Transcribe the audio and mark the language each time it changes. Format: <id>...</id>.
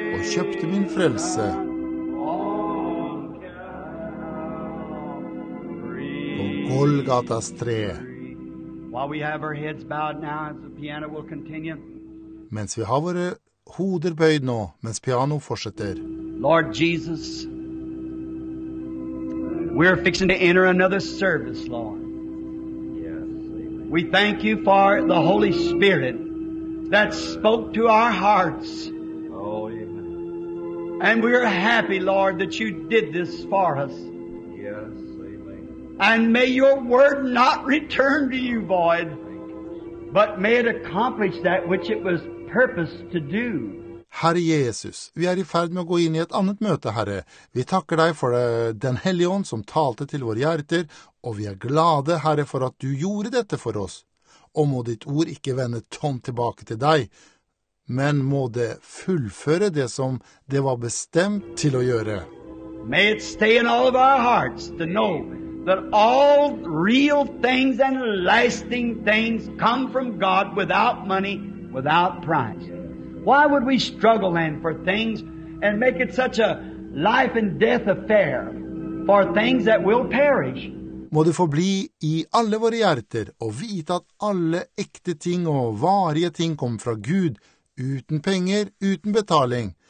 <sv>Köpte min frälse på Golgatas trä.</sv> <en>While we have our heads bowed now as the piano will continue.</en> <no>Mens vi har våre hoder böjd nå, mens piano fortsätter.</no> <en>Lord Jesus, we're fixing to enter another service, Lord. We thank you for the Holy Spirit that spoke to our hearts. And we are happy, Lord, that you did this for us. Yes, amen. And may your word not return to you void, but may it accomplish that which it was purposed to do.</en> <no>Herre Jesus, vi I ferd med å gå inn I et annet møte, Herre. Vi takker deg for den hellige ånd som talte til våre hjerter, og vi glade, Herre, for at du gjorde dette for oss. Og må ditt ord ikke vende tomt tilbake til deg, men må det fullføre det som det var bestemt til å gjøre.</no> <en>May it stay in all of our hearts to know that all real things and lasting things come from God without money, without price. Why would we struggle then for things and make it such a life and death affair for things that will perish?</en> <no>Må du få bli I alle våre hjerter og vite at alle ekte ting og varige ting kommer fra Gud, uten penger, uten betaling.</no>